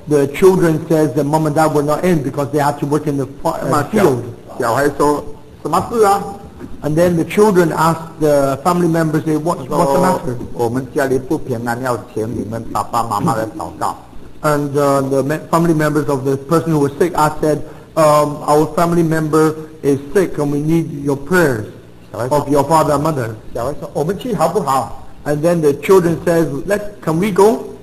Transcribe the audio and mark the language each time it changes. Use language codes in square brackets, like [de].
[en] The children says that mom and dad were not in because they had to work in the field. [zh] 小孩说什么事啊？ [en] And then the children ask the family members, say, what's the matter? [zh] 我们家里不平安，要请你们爸爸妈妈来祷告。 [en] And the family members of the person who was sick asked, said, our family member is sick and we need your prayers of your father and mother. [zh] 小孩说我们去好不好？ [en] And then the children says, can we go?